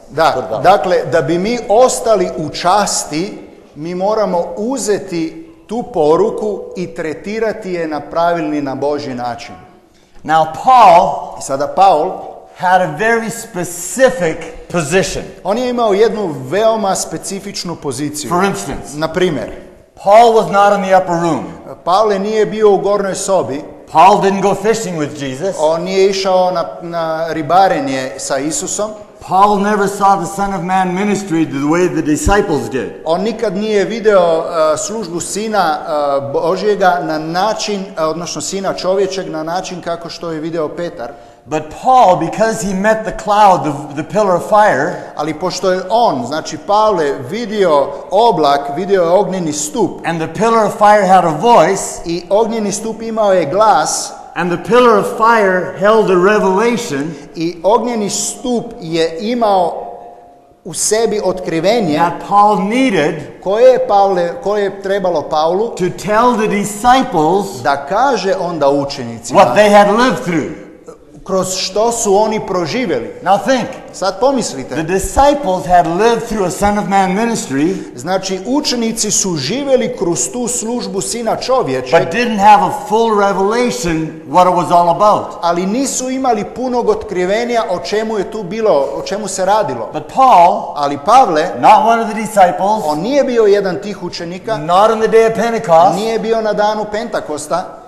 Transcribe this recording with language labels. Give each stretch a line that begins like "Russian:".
Croatian: Da. Dakle, da bi mi ostali u časti, mi moramo uzeti tu poruku i tretirati je na pravilni, na Božji način.
English: Now Paul,
Croatian: i sada Paul
English: had a very specific position.
Croatian: On je imao jednu veoma specifičnu poziciju.
English: For instance,
Croatian: na primjer,
English: Paul was not in the upper room.
Croatian: Paul nije bio u gornjoj sobi.
English: Paul didn't go fishing with Jesus.
Croatian: On nije išao na ribarenje sa Isusom.
English: Paul never saw the Son of Man ministry the way the disciples did.
Croatian: On nikad nije video službu Sina Božjega na način, odnosno Sina čovječeg na način kako što je video Petar.
English: But Paul, because he met the cloud, the pillar of fire,
Croatian: ali pošto je on, znači Pavle, vidio oblak, vidio je ognjeni stup,
English: and the pillar of fire had a voice,
Croatian: i ognjeni stup imao je glas,
English: and the pillar of fire held a revelation,
Croatian: i ognjeni stup je imao u sebi otkrivenje,
English: that Paul needed,
Croatian: koje je trebalo Paulu,
English: to tell the disciples,
Croatian: da kaže onda učenicima,
English: what they had lived through,
Croatian: kroz što su oni proživjeli.
English: Now think.
Croatian: Sad pomislite.
English: The disciples had lived through a Son of Man ministry.
Croatian: Znači, učenici su živjeli kroz tu službu Sina čovječeg.
English: But didn't have a full revelation what it was all about.
Croatian: Ali nisu imali punog otkrivenja o čemu je tu bilo, o čemu se radilo.
English: But Paul,
Croatian: ali Pavle,
English: not one of the disciples,
Croatian: on nije bio jedan tih učenika,
English: not on the day of Pentecost,
Croatian: nije bio na danu Pentakosta,